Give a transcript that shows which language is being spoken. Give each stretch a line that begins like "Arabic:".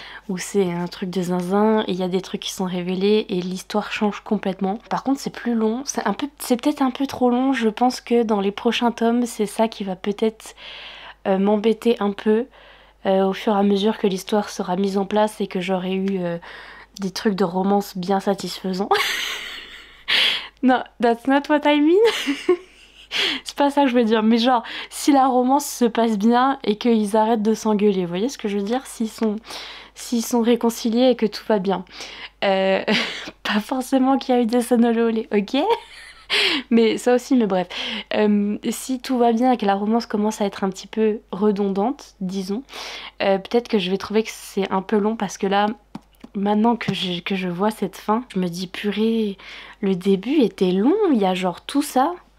French: Où c'est un truc de zinzin, il y a des trucs qui sont révélés et l'histoire change complètement. Par contre c'est plus long, c'est peut-être un peu trop long, je pense que dans les prochains tomes c'est ça qui va peut-être m'embêter un peu au fur et à mesure que l'histoire sera mise en place et que j'aurai eu des trucs de romance bien satisfaisants.
English: Non, that's not what I mean.
French: C'est pas ça que je veux dire, mais genre si la romance se passe bien et qu'ils arrêtent de s'engueuler, vous voyez ce que je veux dire, s'ils sont réconciliés et que tout va bien, pas forcément qu'il y a eu des sonnolés, ok, mais ça aussi, mais bref, si tout va bien et que la romance commence à être un petit peu redondante, disons, peut-être que je vais trouver que c'est un peu long parce que là, maintenant que je vois cette fin, je me dis purée, le début était long, il y a genre tout ça.